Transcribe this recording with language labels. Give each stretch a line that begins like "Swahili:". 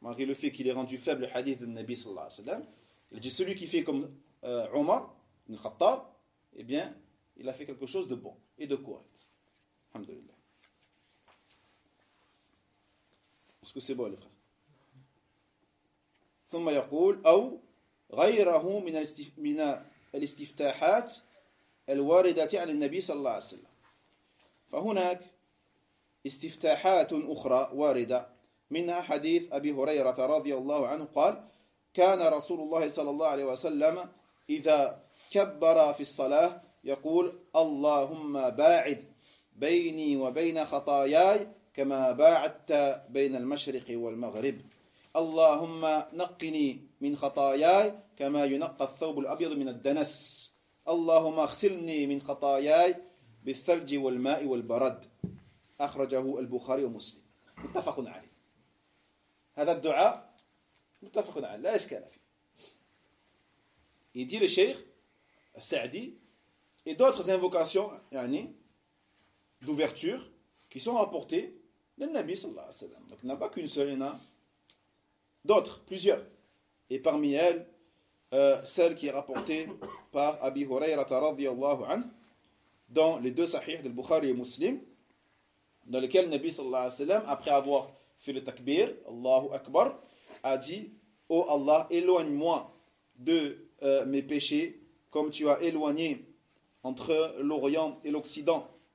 French: Malgré le fait qu'il ait rendu faible le hadith de Nabi sallallahu alayhi wa sallam, il dit: celui qui fait comme Omar, ibn Khattab, eh bien, il a fait quelque chose de bon et de correct. Alhamdulillah. Est-ce que c'est bon, les frères?
Arabic: ثم يقول أو غيره من الاستفتاحات الواردة عن النبي صلى الله عليه وسلم. فهناك استفتاحات أخرى واردة، منها حديث أبي هريرة رضي الله عنه قال: كان رسول الله صلى الله عليه وسلم إذا كبر في الصلاة يقول: اللهم باعد بيني وبين خطاياي كما باعدت بين المشرق والمغرب، اللهم نقني من خطاياي كما ينقى الثوب الأبيض من الدنس، اللهم اغسلني من خطاياي بالثلج والماء والبرد. أخرجه البخاري ومسلم. متفق عليه. هذا الدعاء متفق عليه، لا إشكال فيه. يدي الشيخ السعدي
French: et d'autres invocations
Arabic: يعني
French: d'ouverture qui sont apportées le Nabi sallallahu alayhi wa sallam. Donc il n'y a pas qu'une seule, il y en a d'autres, plusieurs. Et parmi elles, celle qui est rapportée par Abi Hurayrata radiyallahu anhu dans les deux sahih de Bukhari et Muslim, dans lequel le Nabi sallallahu alayhi wa sallam, après avoir fait le takbir, Allahu Akbar, a dit: ô Allah, éloigne-moi de mes péchés, comme tu as éloigné entre l'Orient et l'Occident.